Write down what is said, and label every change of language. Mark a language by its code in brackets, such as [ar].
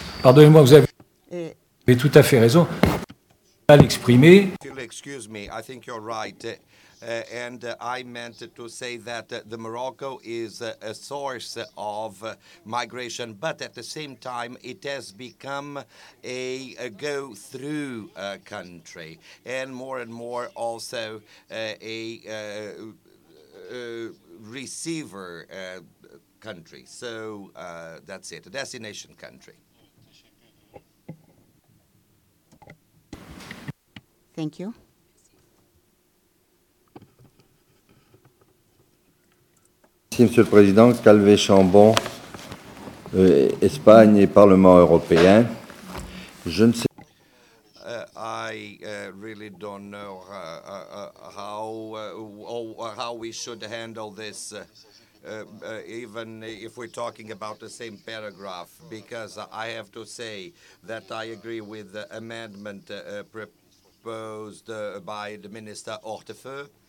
[fr] Pardonnez-moi, vous avez tout à fait raison. Mal exprimé. [en] Excuse me, I think you're right. And I meant to say that the Morocco is a source of migration, but at the same time, it has become a go-through country, and more also receiver country. So that's it, a destination country. Thank you. [fr] Merci, Monsieur le Président. Calvé Chambon, Espagne et Parlement européen. Je ne sais. [en] I really don't know how we should handle this. Even if we're talking about the same paragraph, because I have to say that I agree with the amendment proposed by the Minister Hortefeux.